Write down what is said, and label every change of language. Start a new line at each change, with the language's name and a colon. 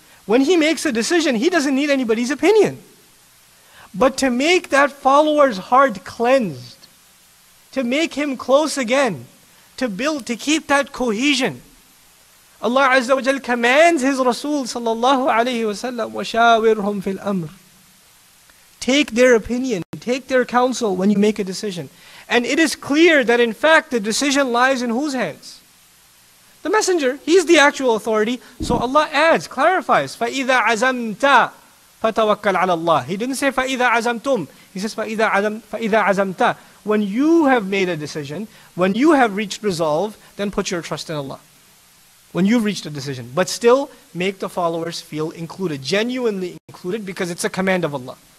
English: When he makes a decision, he doesn't need anybody's opinion. But to make that follower's heart cleansed, to make him close again, to build, to keep that cohesion, Allah Azza wa Jalla commands His Rasul sallallahu alayhi wa sallam,
Arabic: وَشَاوِرْهُمْ فِي الْأَمْرِ.
English: Take their opinion, take their counsel when you make a decision. And it is clear that in fact the decision lies in whose hands? The Messenger, he's the actual authority. So Allah adds, clarifies,
Arabic: فَإِذَا عَزَمْتَ فَتَوَكَّلْ عَلَى اللَّهِ.
English: He didn't say
Arabic: فَإِذَا عَزَمْتُمْ.
English: He says
Arabic: فَإِذَا عَزَمْتَ.
English: When you have made a decision, when you have reached resolve, then put your trust in Allah. When you've reached a decision. But still, make the followers feel included, genuinely included, because it's a command of Allah.